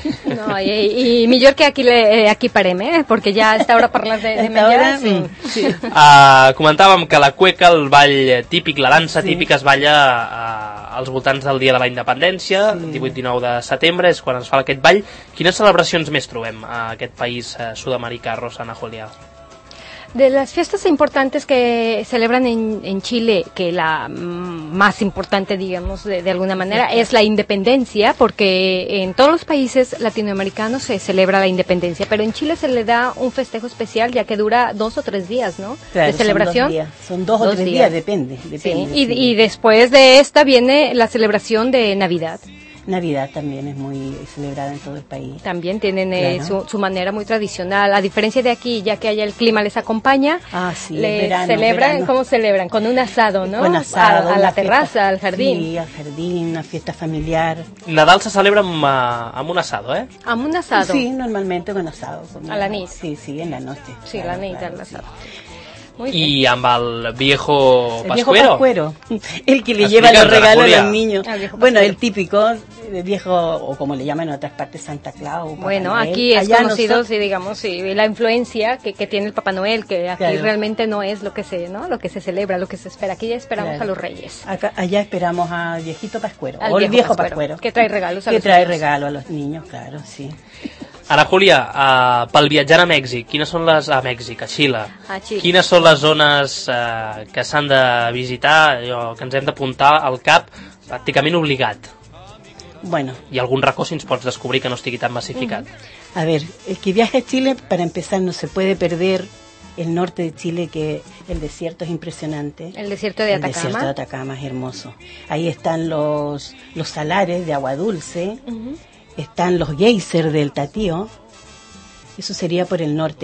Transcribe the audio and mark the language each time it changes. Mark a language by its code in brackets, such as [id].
[es] No, y mejor que aquí [ca] parem, [es] porque ya a esta hora [ca] parlar de menjar. [es] Hora, sí. [ca] Comentàvem que la cueca, el ball típic, la dansa, sí, típica, es balla als voltants del dia de la independència, sí, 18-19 de setembre, és quan es fa aquest ball. Quines celebracions més trobem a aquest país sud-americà, Rosa, Anna Júlia? [es] De las fiestas importantes que celebran en Chile, que la más importante, digamos, de alguna manera, es la independencia, porque en todos los países latinoamericanos se celebra la independencia, pero en Chile se le da un festejo especial, ya que dura 2 o 3 días, ¿no? Claro, de celebración. Son dos o tres días, depende. Sí. Y después de esta viene la celebración de Navidad. Navidad también es muy celebrada en todo el país. También tienen, claro, su manera muy tradicional, a diferencia de aquí, ya que allá el clima les acompaña. Ah, sí, verano, celebran, verano. ¿Cómo celebran? Con un asado, ¿no? Con asado. A la fiesta, terraza, al jardín. Sí, al jardín, una fiesta familiar. [ca] Nadal se celebra amb un asado, ¿eh? Amb un asado. [es] Sí, normalmente con asado. [ca] A la nit. [es] Sí, en la noche. Sí, claro, [ca] la nit, [es] claro, al asado. Sí. Y amb el viejo pascuero. El viejo pascuero, el que le lleva los regalos a los niños. Bueno, el típico, el viejo, o como le llaman en otras partes, Santa Claus. Bueno, aquí es conocido, sí, digamos, sí, la influencia que tiene el Papá Noel, que aquí realmente no es lo que se, ¿no?, lo que se celebra, lo que se espera. Aquí ya esperamos a los reyes. Allá esperamos al viejito pascuero, o el viejo pascuero. Que trae regalos a los niños. Que trae regalo a los niños, claro, sí. [ca] Anna Júlia, pel viatjant a Mèxic, quines són les... a Mèxic, a Xile. Quines són les zones que s'han de visitar, o que ens hem d'apuntar al cap, pràcticament obligat? Bueno. I algun racó, si ens pots descobrir, que no estigui tan massificat. [es] Uh-huh. A ver, el que viaja a Xile, para empezar, no se puede perder el norte de Xile, que el desierto es impresionante. El desierto de Atacama. El desierto de Atacama es hermoso. Ahí están los salares de agua dulce. Uh-huh. Están los geysers del Tatío, eso sería por el norte.